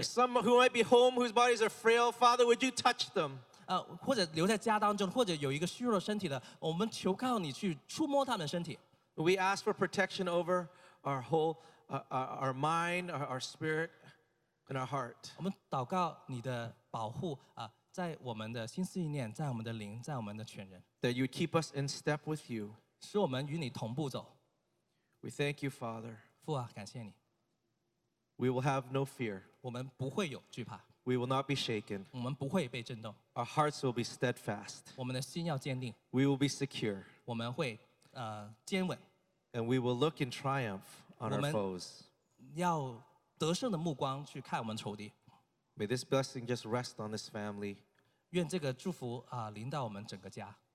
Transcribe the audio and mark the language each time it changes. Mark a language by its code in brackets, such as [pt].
[en] Some who might be home, whose bodies are frail, Father, would you touch them? [zh] 或者留在家当中，或者有一个虚弱身体的，我们求告你去触摸他们的身体。 [en] We ask for protection over our whole, our mind, our spirit, and our heart. [zh] 我们祷告你的保护，在我们的心思意念，在我们的灵，在我们的全人。 [en] That you would keep us in step with you. We thank you, Father. [zh] 父啊，感谢你。 [en] We will have no fear. [zh] 我们不会有惧怕。 [en] We will not be shaken. [zh] 我们不会被震动。 [en] Our hearts will be steadfast. [zh] 我们的心要坚定。 [en] We will be secure. [zh] 我们会坚稳。 [en] And we will look in triumph on our foes. [zh] 要得胜的目光去看我们仇敌。 [en] May this blessing just rest on this family. [zh] 愿这个祝福临到我们整个家。